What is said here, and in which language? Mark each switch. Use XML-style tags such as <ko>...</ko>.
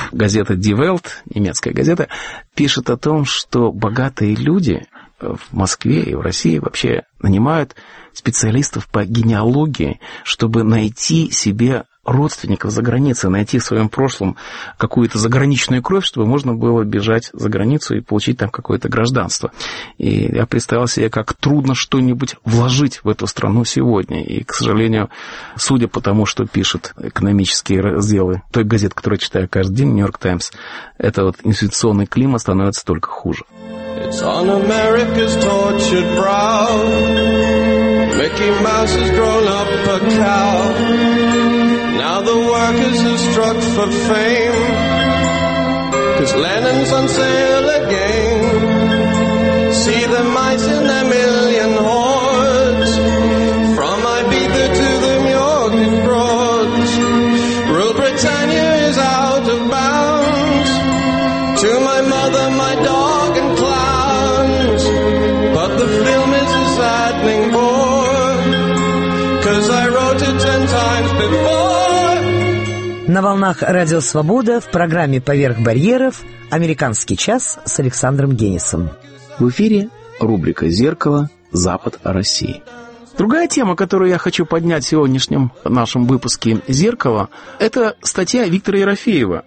<ru>Газета Die Welt, немецкая газета, пишет о том, что богатые люди в Москве и в России вообще нанимают специалистов по генеалогии, чтобы найти себе родственников за границей, найти в своем прошлом какую-то заграничную кровь, чтобы можно было бежать за границу и получить там какое-то гражданство. И я представил себе, как трудно что-нибудь вложить в эту страну сегодня. И, к сожалению, судя по тому, что пишут экономические разделы той газеты, которую я читаю каждый день, «Нью-Йорк Таймс», это вот инвестиционный климат становится только хуже.</ru> <en>It's on America's tortured brow. Mickey Mouse has grown up a cow. Now the workers have struck for fame. 'Cause Lenin's on sale again. See the mice in their million hordes. From Ibiza to the Mjork and Broads. Rule Britannia is out of bounds. To my mother, my dog and clowns. But the film is a saddening bore. 'Cause I wrote it 10 times before.</en> <ru>На волнах «Радио Свобода» в программе «Поверх барьеров» «Американский час» с Александром Генисом. В эфире рубрика «Зеркало. Запад России». Другая тема, которую я хочу поднять в сегодняшнем нашем выпуске «Зеркало», это статья Виктора Ерофеева.</ru>